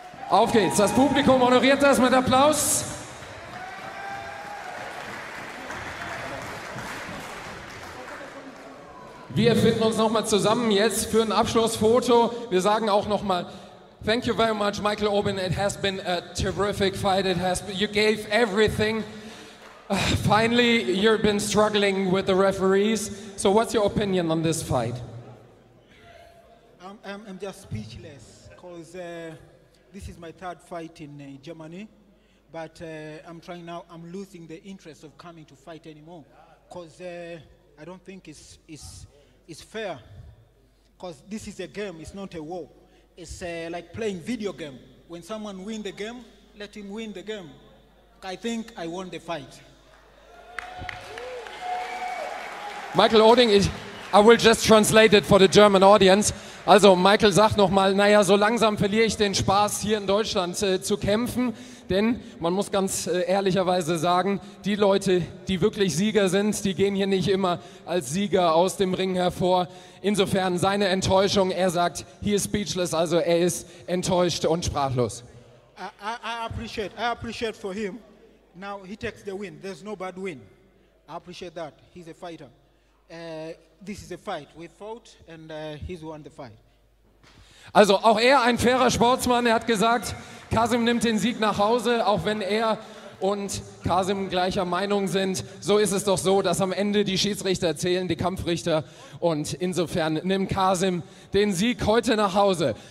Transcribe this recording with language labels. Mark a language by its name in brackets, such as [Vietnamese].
[German] Auf geht's. Das Publikum honoriert das mit Applaus. Wir finden uns nochmal zusammen jetzt für ein Abschlussfoto. Wir sagen auch nochmal, [English] thank you very much, [German] Michael Obin. [English] It has been a terrific fight. You gave everything. Finally, you've been struggling with the referees. So what's your opinion on this fight? I'm just speechless because this is my 3rd fight in Germany. But I'm losing the interest of coming to fight anymore because I don't think it's fair because this is a game, it's not a war. It's like playing video game. When someone wins the game, let him win the game. I think I won the fight. Michael Oding, I will just translate it for the German audience. [German] Also Michael sagt nochmal, naja, so langsam verliere ich den Spaß hier in Deutschland zu kämpfen, denn man muss ganz ehrlicherweise sagen, die Leute, die wirklich Sieger sind, die gehen hier nicht immer als Sieger aus dem Ring hervor. Insofern seine Enttäuschung, er sagt, [English] he is speechless, [German] also er ist enttäuscht und sprachlos. [English] I appreciate for him. Now he takes the win. There's no bad win. I appreciate that. He's a fighter. This is a fight. We fought and he's won the fight. [German] Also auch er, ein fairer Sportsmann, er hat gesagt, Kasim nimmt den Sieg nach Hause, auch wenn er und Kasim gleicher Meinung sind. So ist es doch so, dass am Ende die Schiedsrichter zählen, die Kampfrichter. Und insofern nimmt Kasim den Sieg heute nach Hause.